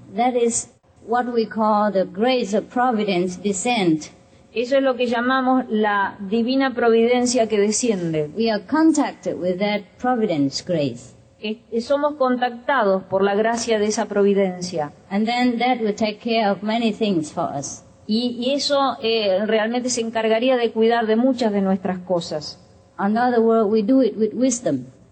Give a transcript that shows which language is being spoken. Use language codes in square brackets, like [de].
[en] That is what we call the grace of providence descent. [es] Eso es lo que llamamos la divina providencia que desciende. [en] We are contacted with that providence grace. [es] Somos contactados por la gracia de esa providencia. [en] And then that will take care of many things for us. [es] Y eso realmente se encargaría de cuidar de muchas de nuestras cosas. [en] In other words, we do it with wisdom.